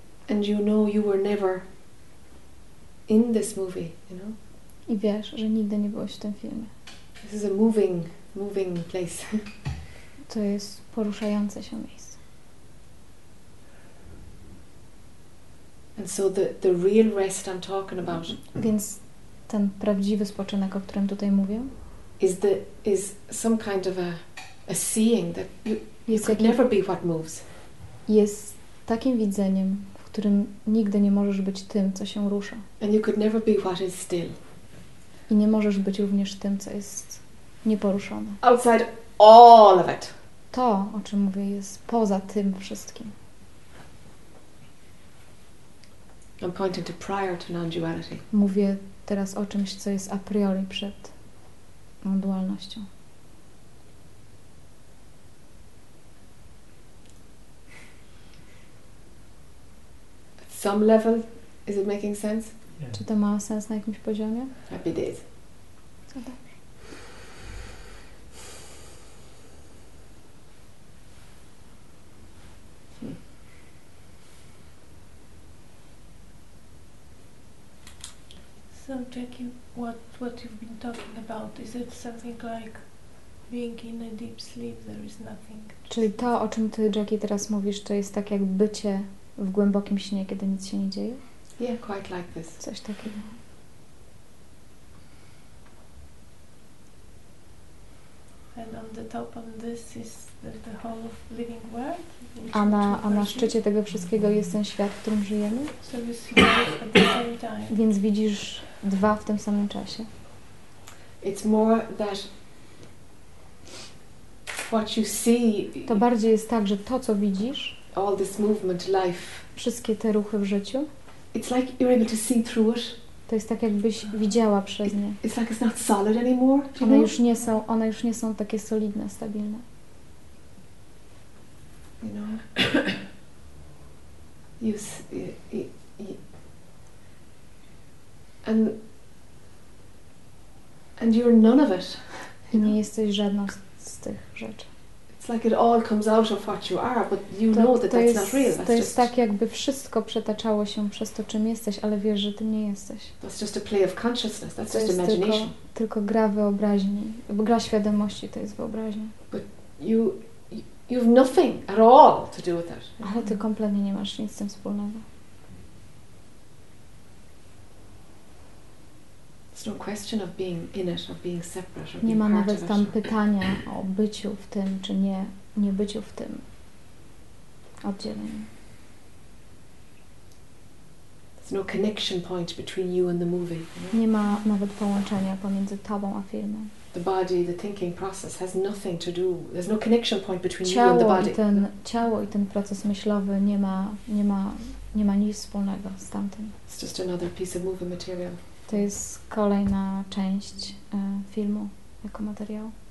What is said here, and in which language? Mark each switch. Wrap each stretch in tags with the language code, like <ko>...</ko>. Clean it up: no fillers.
<en>And you know you were never in this movie, you know?</en> <pl>I wiesz, że nigdy nie byłeś w tym filmie.</pl> <en>This is a moving place.</en> <pl>To jest poruszające się miejsce.</pl> <en>And so the real rest I'm talking about.</en> <pl>Więc ten prawdziwy spoczynek, o którym tutaj mówię,</pl> <en>is some kind of a seeing that you could never be what moves.</en> <pl>Jest takim widzeniem, w którym nigdy nie możesz być tym, co się rusza.</pl> <en>And you could never be what is still.</en> <pl>I nie możesz być również tym, co jest nieporuszone.</pl> <en>Outside all of it.</en> <pl>To, o czym mówię, jest poza tym wszystkim.</pl> <en>I'm pointing to prior to non-duality.</en> <pl>Mówię teraz o czymś, co jest a priori przed non-dualnością.</pl> <en>Some level, is it making sense? Yeah.</en> <pl>Czy to ma sens na jakimś poziomie?</pl> <en>Happy days. So, Jackie, what you've been talking about, is it something like being in a deep sleep, there is nothing?</en> <pl>Czyli to, o czym ty, Jackie, teraz mówisz, to jest tak jak bycie w głębokim śnie, kiedy nic się nie dzieje?</pl> <en>Yeah, quite like this.</en> <pl>Coś takiego.</pl> <en>And on the top of this is the whole of living world.</en> <pl>A na szczycie tego wszystkiego jest ten świat, w którym żyjemy?</pl> <en>So you see both at the same time.</en> <pl>Więc widzisz dwa w tym samym czasie.</pl> <en>It's more that what you see.</en> <pl>To bardziej jest tak, że to, co widzisz.</pl> <en>All this movement, life.</en> <pl>Wszystkie te ruchy w życiu.</pl> <en>It's like you're able to see through it.</en> <pl>To jest tak, jakbyś widziała przez nie.</pl> <en>It's like it's not solid anymore.</en> <pl>One już nie są takie solidne, stabilne.</pl> <en>You know. And you're none of it.</en> <pl>I nie jesteś żadną z tych rzeczy.</pl> <en>It's like it all comes out of what you are, but you to, know that that's</en> <pl>jest,</pl> <en>not real. That's</en> <pl>to jest tak, jakby wszystko przetaczało się przez to, czym jesteś, ale wiesz, że ty nie jesteś.</pl> <en>That's just a play of consciousness. That's just imagination.</en> <pl>Tylko gra wyobraźni, gra świadomości, to jest wyobraźnia.</pl> <en>But you've nothing at all to do with it.</en> <pl>Ale ty kompletnie nie masz nic z tym wspólnego.</pl> <en>No question of being in it, of being separate, of being</en> <pl>nie ma</pl> <en>part</en> <pl>nawet tam</pl> <en>of it.</en> <pl>Pytania o byciu w tym, czy nie, nie byciu w tym oddzieleniu.</pl> <en>There's no connection point between you and the movie. You know?</en> <pl>Nie ma nawet połączenia pomiędzy tobą a filmem.</pl> <en>The body, the thinking process has nothing to do. There's no connection point between you and the body.</en> <pl>Ciało i ten proces myślowy nie ma nic wspólnego z tamtym.</pl> <en>It's just another piece of movie material.</en> <pl>To jest kolejna część filmu jako materiał.</pl>